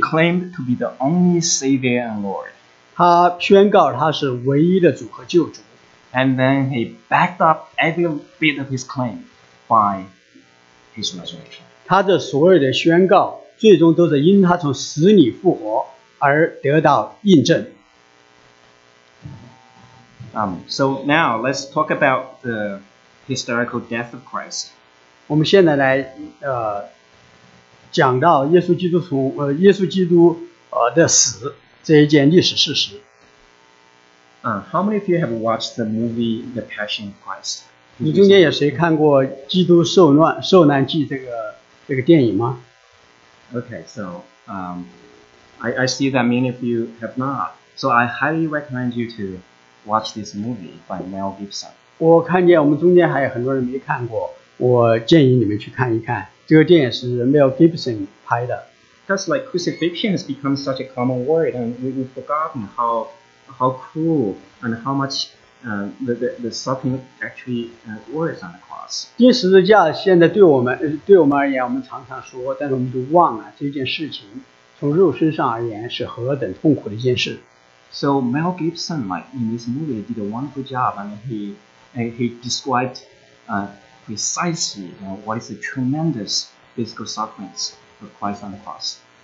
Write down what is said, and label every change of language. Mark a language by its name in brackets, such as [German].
[English] He claimed to be the only Savior and Lord. [Chinese] 他宣告他是唯一的主和救主。 [English] And then he backed up every bit of his claim by his resurrection. [Chinese] 他的所有的宣告，最终都是因他从死里复活而得到印证。 [English] So now let's talk about the historical death of Christ. [Chinese] 我们现在来讲到耶稣基督从耶稣基督的死这一件历史事实。 [English] How many of you have watched the movie The Passion of Christ? [Chinese] 你中间有谁看过《基督受难记》这个电影吗 [English] ？Okay, so I see that many of you have not. So I highly recommend you to watch this movie by Mel Gibson. [Chinese] 我看见我们中间还有很多人没看过，我建议你们去看一看。这个电影是 Mel Gibson 拍的。 [English] Just like crucifixion has become such a common word, and we've forgotten how cruel and how much the suffering actually was on the cross. [Chinese] 钉十字架现在对我们而言，我们常常说，但是我们都忘了这件事情从肉身上而言是何等痛苦的一件事。 [English] So Mel Gibson, like in this movie, did a wonderful job, and he described precisely what is the tremendous physical sufferings of Christ on the cross.